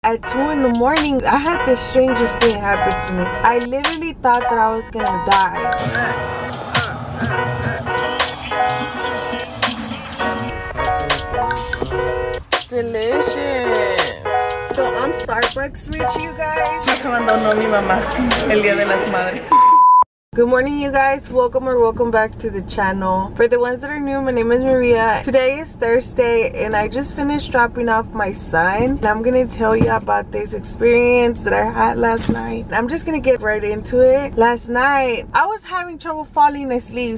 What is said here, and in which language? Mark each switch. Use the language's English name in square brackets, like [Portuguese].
[English] at 2 in the morning, I had the strangest thing happen to me. I literally thought that I was gonna die. Delicious. So I'm Starbucks rich, you guys. [Spanish] Me abandonó mi mamá el día de las madres. [English] Good morning, you guys. Welcome or welcome back to the channel. For the ones that are new, my name is Maria. Today is Thursday and I just finished dropping off my son. And I'm gonna tell you about this experience that I had last night. And I'm just gonna get right into it. Last night, I was having trouble falling asleep.